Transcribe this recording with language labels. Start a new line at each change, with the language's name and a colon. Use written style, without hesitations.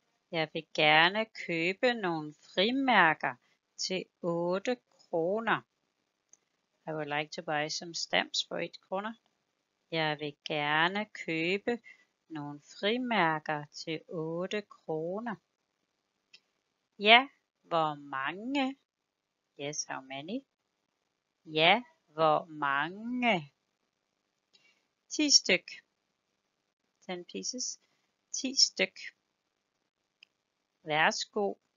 Danish: Jeg vil gerne købe nogle frimærker til 8 kroner.
English: I would like to buy some stamps for 8 kroner.
Danish: Jeg vil gerne købe nogle frimærker til 8 kroner. Ja, hvor mange?
English: Yes, how many?
Danish: Ja, hvor mange? 10 styk.
English: 10 pieces.
Danish: 10 styk. Værsgo.